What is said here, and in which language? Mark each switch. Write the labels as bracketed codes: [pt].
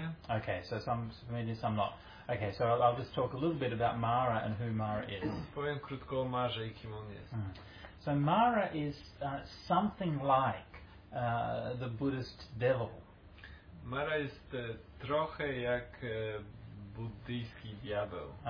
[en] Okay, so some familiar, some not. Okay, so I'll just talk a little bit about Mara and who Mara is. [pl] Powiem krótko o Marze i kim on jest. [en] So Mara is something like the Buddhist devil. [pl] Mara jest trochę jak buddhijski diabeł.